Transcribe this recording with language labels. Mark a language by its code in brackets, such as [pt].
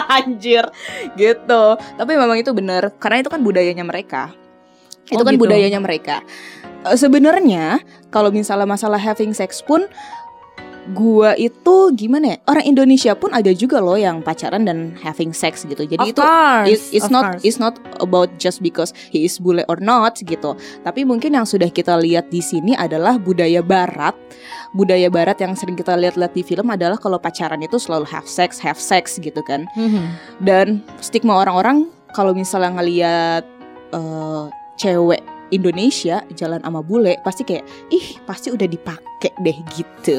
[id] Anjir. Gitu. Tapi memang itu benar, karena itu kan budayanya mereka. Itu kan budayanya mereka. Sebenarnya kalau misalnya masalah [en] having sex [id] pun, gue itu gimana ya, orang Indonesia pun ada juga loh yang pacaran dan having sex gitu. Jadi [en] itu it's not about just because he is bule or not gitu. [id] Tapi mungkin yang sudah kita lihat di sini adalah budaya barat. Budaya barat yang sering kita lihat-lihat di film adalah kalau pacaran itu selalu [en] have sex [id] gitu kan. Dan stigma orang-orang kalau misalnya ngelihat cewek Indonesia jalan sama bule pasti kayak ih pasti udah dipakai deh gitu.